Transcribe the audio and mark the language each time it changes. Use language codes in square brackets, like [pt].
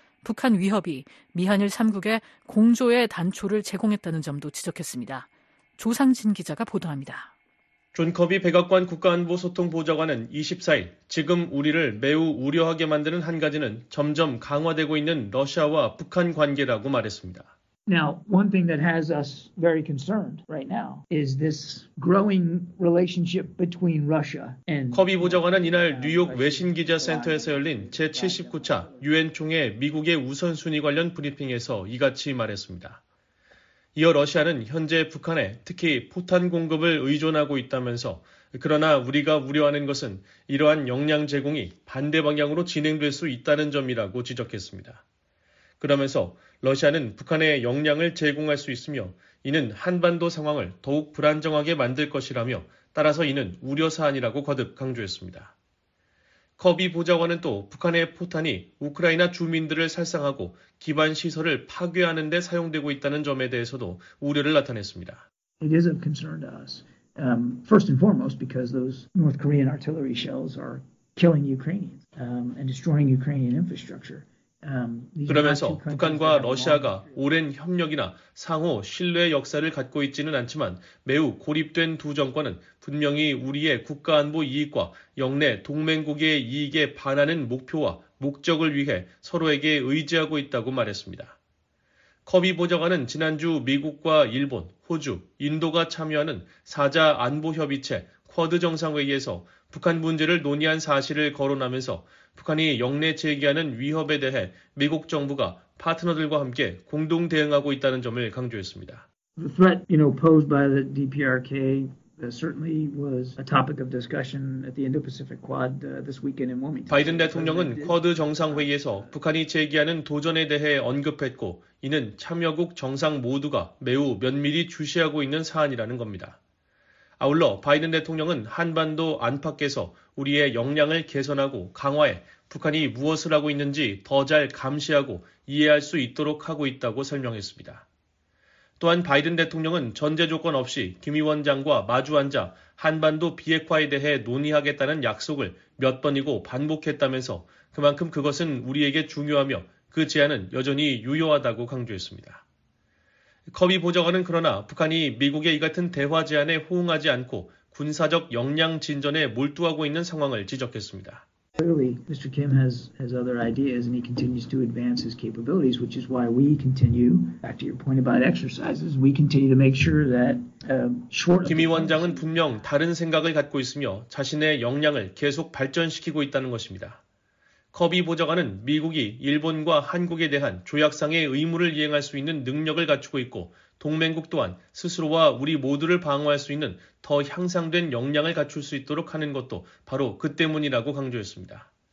[ko] 북한 위협이 미한일 3국에 공조의 단초를 제공했다는 점도 지적했습니다. 조상진 기자가 보도합니다. 존 커비 백악관 국가안보소통보좌관은 24일 지금 우리를 매우 우려하게 만드는 한 가지는 점점 강화되고 있는 러시아와 북한 관계라고 말했습니다. [en] Now, one thing that has us very concerned right now is this growing relationship between Russia and [ko] 커비 보좌관은 이날 뉴욕 외신 기자 센터에서 열린 제79차 유엔 총회 미국의 우선순위 관련 브리핑에서 이같이 말했습니다. 이어 러시아는 현재 북한에 특히 포탄 공급을 의존하고 있다면서 그러나 우리가 우려하는 것은 이러한 역량 제공이 반대 방향으로 진행될 수 있다는 점이라고 지적했습니다. 그러면서 러시아는 북한에 역량을 제공할 수 있으며 이는 한반도 상황을 더욱 불안정하게 만들 것이라며 따라서 이는 우려 사안이라고 거듭 강조했습니다. 커비 보좌관은 또 북한의 포탄이 우크라이나 주민들을 살상하고 기반 시설을 파괴하는 데 사용되고 있다는 점에 대해서도 우려를 나타냈습니다. [en] It is of concern to us. First and foremost because those North Korean artillery shells are killing Ukrainians and destroying Ukrainian infrastructure. [ko] 그러면서 북한과 러시아가 오랜 협력이나 상호 신뢰의 역사를 갖고 있지는 않지만 매우 고립된 두 정권은 분명히 우리의 국가안보 이익과 영내 동맹국의 이익에 반하는 목표와 목적을 위해 서로에게 의지하고 있다고 말했습니다. 커비 보좌관은 지난주 미국과 일본, 호주, 인도가 참여하는 4자 안보협의체 쿼드 정상회의에서 북한 문제를 논의한 사실을 거론하면서 북한이 역내 제기하는 위협에 대해 미국 정부가 파트너들과 함께 공동 대응하고 있다는 점을 강조했습니다. [en] The threat, you know, posed by the DPRK certainly was a topic of discussion at the Indo-Pacific Quad this weekend in Wilmington. [ko] 바이든 대통령은 쿼드 정상 회의에서 북한이 제기하는 도전에 대해 언급했고 이는 참여국 정상 모두가 매우 면밀히 주시하고 있는 사안이라는 겁니다. 아울러 바이든 대통령은 한반도 안팎에서 우리의 역량을 개선하고 강화해 북한이 무엇을 하고 있는지 더 잘 감시하고 이해할 수 있도록 하고 있다고 설명했습니다. 또한 바이든 대통령은 전제 조건 없이 김 위원장과 마주 앉아 한반도 비핵화에 대해 논의하겠다는 약속을 몇 번이고 반복했다면서 그만큼 그것은 우리에게 중요하며 그 제안은 여전히 유효하다고 강조했습니다. 커비 보좌관은 그러나 북한이 미국의 이 같은 대화 제안에 호응하지 않고 군사적 역량 진전에 몰두하고 있는 상황을 지적했습니다. [en] Clearly, Mr. Kim has other ideas and he continues to advance his capabilities, which is why we continue, back to your point about exercises, we continue to make sure that short. [ko] 김 위원장은 분명 다른 생각을 갖고 있으며 자신의 역량을 계속 발전시키고 있다는 것입니다. 커비 보좌관은 미국이 일본과 한국에 대한 조약상의 의무를 이행할 수 있는 능력을 갖추고 있고 동맹국 또한 스스로와 우리 모두를 방어할 수 있는 더 향상된 역량을 갖출 수 있도록 하는 것도 바로 그 때문이라고 강조했습니다.